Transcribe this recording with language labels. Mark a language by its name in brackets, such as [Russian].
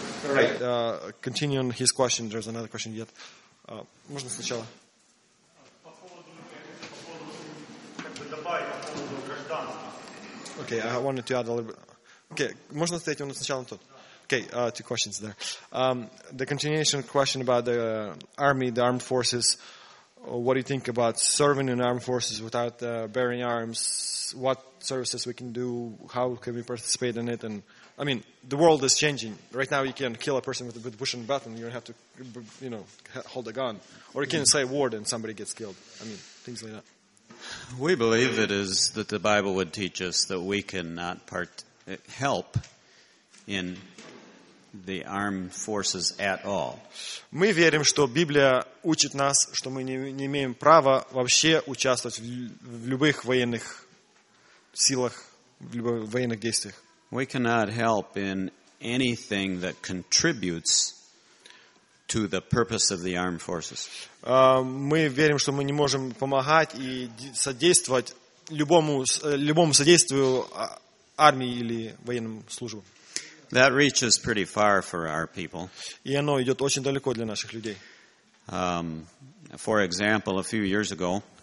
[English] Right. Continue on his question. There's another question yet. [Russian] Можно сначала? [English] Okay, I wanted to add a little bit. [Russian] Okay, можно ответить на сначала тут? [English] Okay, two questions there. The continuation question about the army, the armed forces. What do you think about serving in armed forces without bearing arms? What services we can do? How can we participate in it? And I mean, the world is changing. Right now you can kill a person with a pushing button. You don't have to, you know, hold a gun. Or you can say a word and somebody gets killed. I mean, things like that. We believe it is that the Bible would teach us that we cannot help in the armed forces at all. [Russian] Мы верим, что Библия учит нас, что мы не имеем права вообще участвовать в любых военных силах, в любых военных действиях. [English] We cannot help in anything that contributes to the purpose of the armed forces. [Russian] Мы верим, что мы не можем помогать и содействовать любому содействию армии или военным службам. [English] That reaches pretty far for our people. [Russian] И оно идет очень далеко для наших людей. [English] For example, a few years ago,